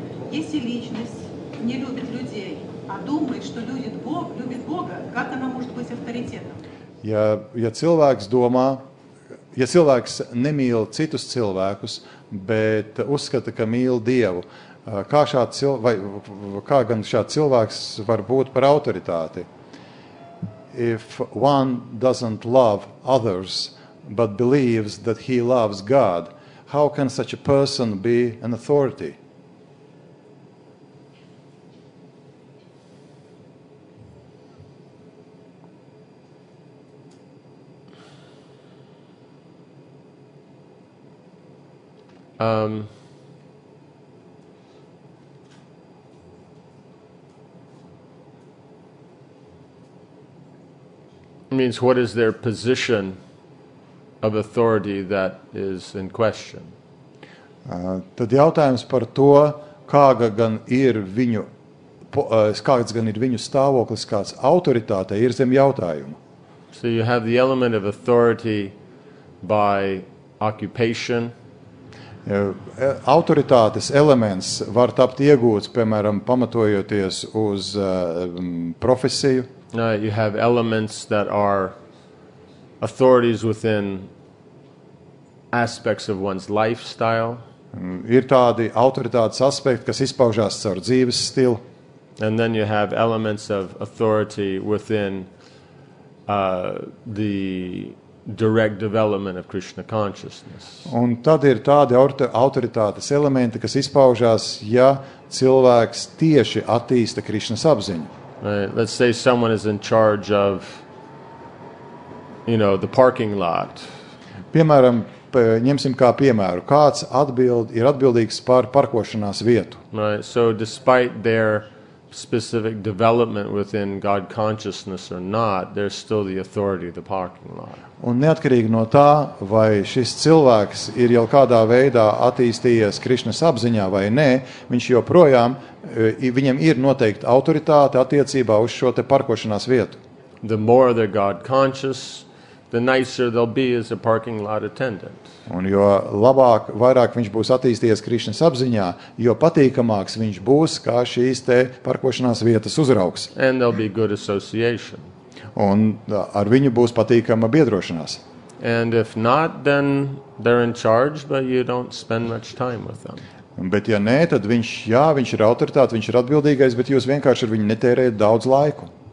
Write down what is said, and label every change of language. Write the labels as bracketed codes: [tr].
[ru] Если личность не любит людей, а думает, что любит Бога, как она может быть авторитетом? Я человекс дома, я человекс не мил цитус человекус, бет ускат, ка мил Деву. [lv] Kā gan šāds cilvēks var būt par autoritāti? [en] If one doesn't love others, but believes that he loves God, how can such a person be an authority? Means what is their position of authority that is in question. [lv] Tad jautājums par to, kāds gan ir viņu stāvoklis, kāds autoritāte ir zem jautājuma. [en] So you have the element of authority by occupation. [lv] Autoritātes elements var tapt iegūts, piemēram, pamatojoties uz profesiju. [en] You have elements that are authorities within aspects of one's lifestyle. [lv] Ir tādi autoritātes aspekti, kas izpaužās caur dzīves stilu. [en] And then you have elements of authority within the direct development of Krishna consciousness. [lv] Un tad ir tādi autoritātes elementi, kas izpaužās, ja cilvēks tieši attīsta Krišnas apziņu. [en] Right. Let's say someone is in charge of, you know, the parking lot. [lv] Piemēram, ņemsim kā piemēru, kāds ir atbildīgs par parkošanās vietu. [en] Right. So despite their specific development within God consciousness or not, there's still the authority of the parking lot. [lv] Un neatkarīgi no tā, vai šis cilvēks ir jau kādā veidā attīstījies Krišnas apziņā vai nē, viņš joprojām, viņam ir noteikti autoritāte attiecībā uz šo te parkošanās vietu. [en] The more they're God conscious, the nicer they'll be as a parking lot attendant. [lv] Un jo labāk, vairāk viņš būs attīstījies Krišnas apziņā, jo patīkamāks viņš būs kā šīs te parkošanās vietas uzraugs. [en] And there'll be good association. [lv] Un ar viņu būs patīkama biedrošanās. [en] And if not, then they're in charge, but you don't spend much time with them. [lv] Bet ja nē, tad viņš, jā, viņš ir autoritāte, viņš ir atbildīgais, bet jūs vienkārši ar viņu netērējat daudz laiku.